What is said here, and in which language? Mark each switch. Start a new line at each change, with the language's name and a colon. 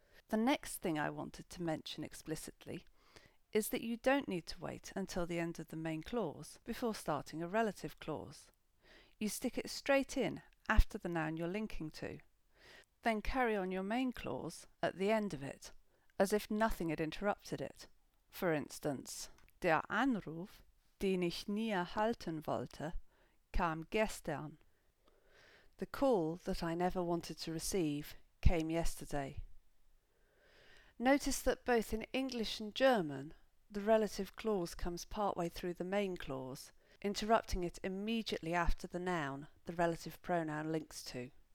English: The next thing I wanted to mention explicitly is that you don't need to wait until the end of the main clause before starting a relative clause. You stick it straight in after the noun you're linking to, then carry on your main clause at the end of it, as if nothing had interrupted it.
German: For instance, der Anruf, den ich nie erhalten wollte, kam gestern.
English: The call that I never wanted to receive came yesterday. Notice that both in English and German, the relative clause comes partway through the main clause, interrupting it immediately after the noun the relative pronoun links to.